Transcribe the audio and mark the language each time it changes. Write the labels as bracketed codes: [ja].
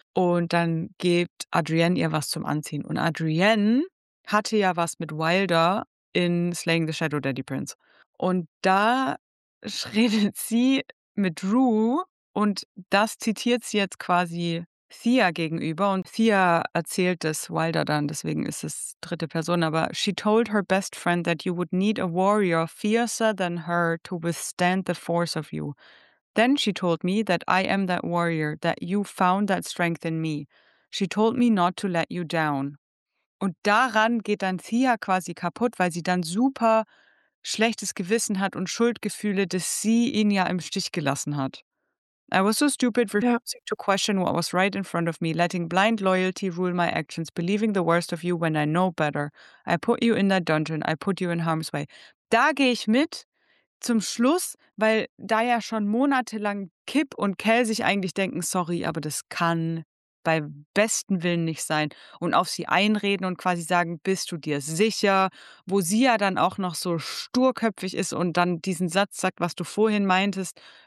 [de] Und dann gibt Adrienne ihr was zum Anziehen. Und Adrienne hatte ja was mit Wilder in Slaying the Shadow Daddy Prince. Und da redet sie mit Rue und das zitiert sie jetzt quasi Thea gegenüber. Und Thea erzählt das Wilder dann, deswegen ist es dritte Person. Aber [en] she told her best friend that you would need a warrior fiercer than her to withstand the force of you. Then she told me that I am that warrior, that you found that strength in me. She told me not to let you down. [de] Und daran geht dann Thea quasi kaputt, weil sie dann super schlechtes Gewissen hat und Schuldgefühle, dass sie ihn ja im Stich gelassen hat. [en] I was so stupid, refusing to question what was right in front of me, letting blind loyalty rule my actions, believing the worst of you when I know better. I put you in that dungeon, I put you in harm's way. [de] Da gehe ich mit. Zum Schluss, weil da ja schon monatelang Kip und Kel sich eigentlich denken, sorry, aber das kann bei bestem Willen nicht sein. Und auf sie einreden und quasi sagen, bist du dir sicher? Wo sie ja dann auch noch so sturköpfig ist und dann diesen Satz sagt, was du vorhin meintest.